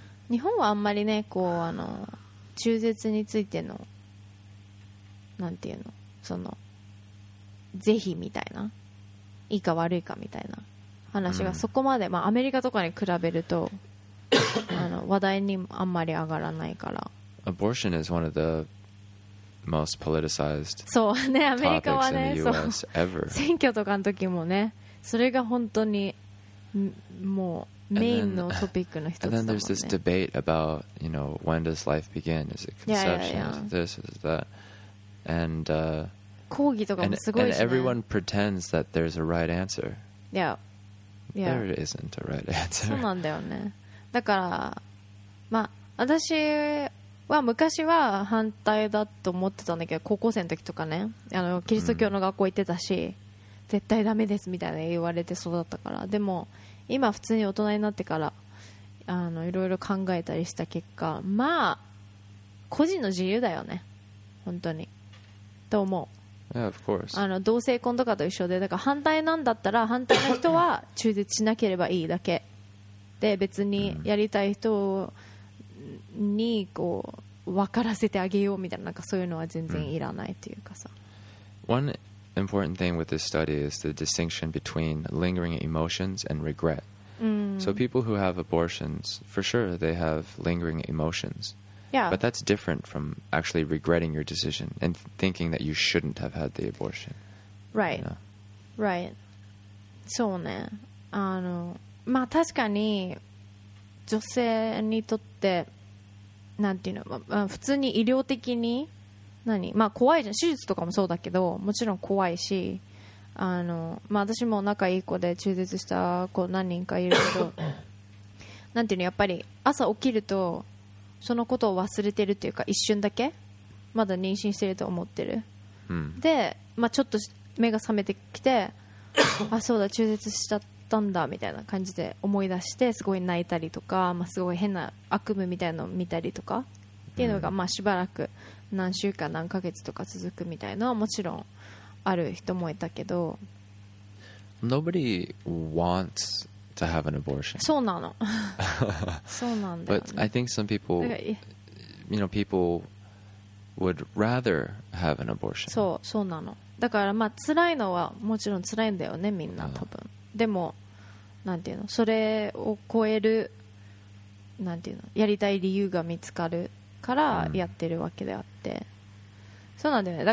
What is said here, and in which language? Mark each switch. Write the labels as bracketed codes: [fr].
[ja] 日本はあんまりね、こう中絶についてのなんていうの、その是非みたいな、いいか悪いかみたいな話がそこまで、まあアメリカとかに比べると話題にあんまり上がらないから。 [en] Abortion is one of the most politicized topics in the U.S. ever. [ja] 選挙とかの時もね、それが本当にもうメインのトピックの一つだもんね。 [en] And then there's this debate about, you know, when does life begin? Is it conception? Is it this? Is it that? And [ja] 抗議とかもすごいしね。 [en] And everyone pretends that there's a right answer. Yeah. Yeah. There isn't a right answer. [ja] そうなんだよね。だから、まあ私は昔は反対だと思ってたんだけど、高校生の時とかね、キリスト教の学校行ってたし、絶対ダメですみたいな言われて育ったから。でも今普通に大人になってからいろいろ考えたりした結果、まあ個人の自由だよね、本当にと思う。 [en] Yeah, of course. [ja] 同性婚とかと一緒で、だから反対なんだったら反対の人は中絶しなければいいだけで、別にやりたい人をにこう分からせてあげようみたいな、なんかそういうのは全然いらないっていうかさ。 [en] One important thing with this study is the distinction between lingering emotions and regret. So people who have abortions, for sure, they have lingering emotions. Yeah. But that's different from actually regretting your decision and thinking that you shouldn't have had the abortion. Right. You know? Right. [ja] そうね。まあ確かに女性にとって。なんていうの、普通に医療的に何、まあ、怖いじゃん、手術とかもそうだけど、もちろん怖いし、まあ、私も仲いい子で中絶した子何人かいるけどなんていうの、やっぱり朝起きるとそのことを忘れてるっていうか、一瞬だけまだ妊娠してると思ってる、うん、で、まあ、ちょっと目が覚めてきてあ、そうだ中絶しちゃったんだみたいな感じで思い出してすごい泣いたりとか、まあ、すごい変な悪夢みたいなのを見たりとかっていうのが、まあしばらく何週間何ヶ月とか続くみたいなのはもちろんある人もいたけど、 [en] Nobody wants to have an abortion. [ja] そうなのそうなんだよね。 [en] But I think some people, you know, people would rather have an abortion. [ja] そう、そうなの。だからまあ辛いのはもちろん辛いんだよね、みんな多分。でもなんていうの、それを超えるなんていうの、やりたい理由が見つかるからやってるわけであって、そうなんだよね。